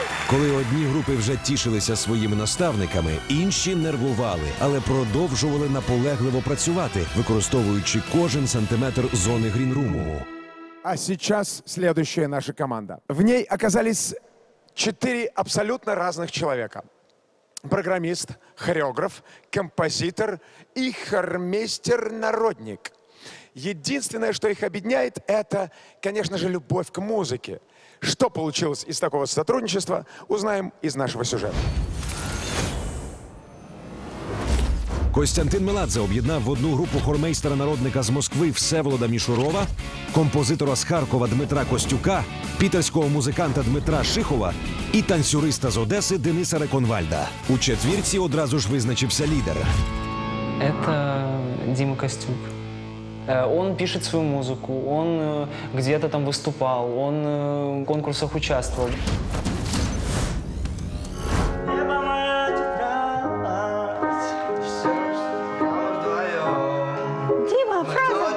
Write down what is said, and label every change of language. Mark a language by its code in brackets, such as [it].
[uk] Коли одні групи вже тішилися своїми наставниками, інші нервували, але продовжували наполегливо працювати, використовуючи кожен сантиметр зони грінруму. [ru] А сейчас следующая наша команда. В ней оказались 4 абсолютно разных человека. Программист, хореограф, композитор и хормейстер-народник. Единственное, что их объединяет, это, конечно же, любовь к музыке. Что получилось из такого сотрудничества, узнаем из нашего сюжета. [uk] Костянтин Меладзе об'єднав в одну групу хормейстера-народника з Москви Всеволода Мішурова, композитора з Харкова Дмитра Костюка, пітерського музиканта Дмитра Шихова і танцюриста з Одеси Дениса Реконвальда. У четвірці одразу ж визначився лідер. Це Діма Костюк. [ru] Он пишет свою музыку, он где-то там выступал, он в конкурсах участвовал. Дима, правда?